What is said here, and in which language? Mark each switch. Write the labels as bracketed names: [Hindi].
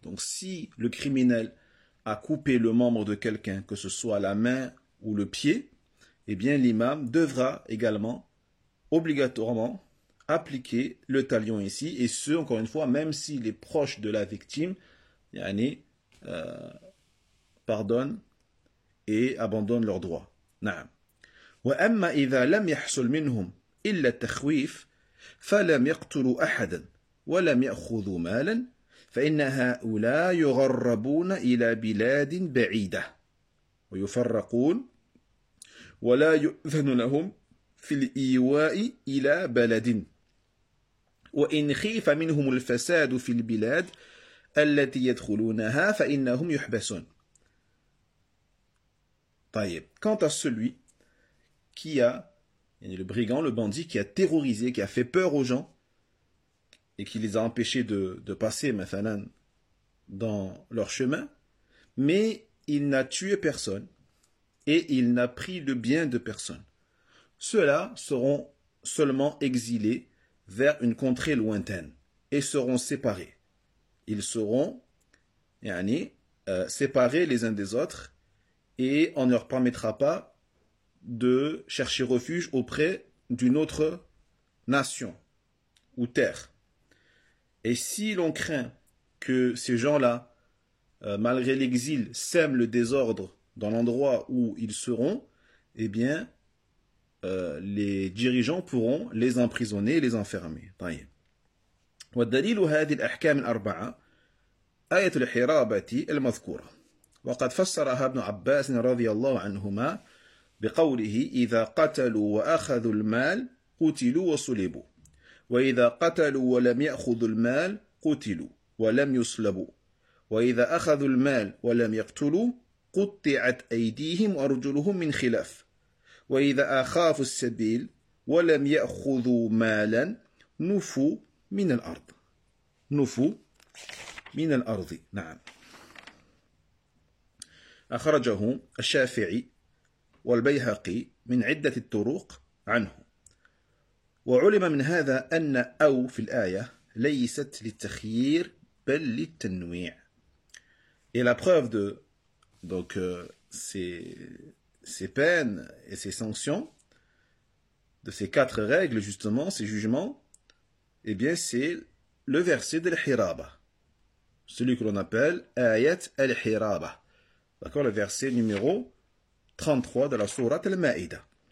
[French] Donc, si le criminel a coupé le membre de quelqu'un, que ce soit la main ou le pied, eh bien, l'imam devra également, obligatoirement, appliquer le talion ici, et ce, encore une fois, même s'il est proche de la victime, yani, pardonne et abandonne leurs droits. [Arabic] Naam. وأما إذا لم يحصل منهم إلا التخويف فلم يقتلوا أحدا ولم يأخذوا مالا فإن هؤلاء يغربون إلى بلاد بعيدة ويفرقون ولا يؤذن لهم في الإيواء إلى بلد وإن خيف منهم الفساد في البلاد التي يدخلونها فإنهم يحبسون. [French] طيب quant à celui qui a, le brigand, le bandit, qui a terrorisé, qui a fait peur aux gens, et qui les a empêchés de passer, maintenant, dans leur chemin, mais il n'a tué personne, et il n'a pris le bien de personne. Ceux-là seront seulement exilés vers une contrée lointaine, et seront séparés. Ils seront, séparés les uns des autres, et on ne leur permettra pas de chercher refuge auprès d'une autre nation ou terre. Et si l'on craint que ces gens-là, malgré l'exil, sèment le désordre dans l'endroit où ils seront, eh bien, les dirigeants pourront les emprisonner et les enfermer. [Arabic] والدليل هذه الأحكام الأربعة آية الحرابة المذكورة وقد فسرها ابن عباس رضي الله عنهما بقوله إذا قتلوا وأخذوا المال قتلوا وصلبوا وإذا قتلوا ولم يأخذوا المال قتلوا ولم يصلبوا وإذا أخذوا المال ولم يقتلوا قطعت أيديهم وأرجلهم من خلاف وإذا أخافوا السبيل ولم يأخذوا مالا نفوا من الأرض نفوا من الأرض. نعم أخرجه الشافعي والبيهقي من عدة الطرق عنه وعلم من هذا أن أو في الآية ليست للتخيير بل للتنويع. [French] Et la preuve de donc ces peines et ces sanctions, de ces quatre règles justement, ces jugements, eh bien c'est le verset de l'Hiraba, celui que l'on appelle Ayat al-Hiraba, d'accord, le verset numéro 33 de la sourate Al-Ma'ida.